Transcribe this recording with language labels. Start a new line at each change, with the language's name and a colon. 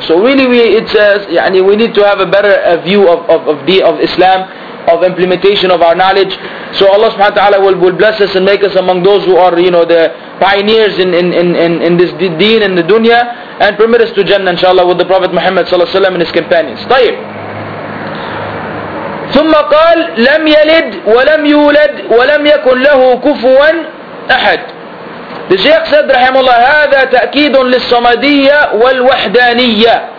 English: So really, we need to have a better view of Islam, of implementation of our knowledge. So Allah subhanahu wa ta'ala will bless us and make us among those who are, you know, the pioneers in this deen in the dunya, and permit us to Jannah, inshallah, with the Prophet Muhammad sallallahu alaihi wasallam and his companions.
Arabic: طيب. ثم قال لم يلد ولم يولد ولم يكن له كفوا أحد.
English: The Shaykh said, Rahimullah,
Arabic: هذا تأكيد للصمدية والوحدانية.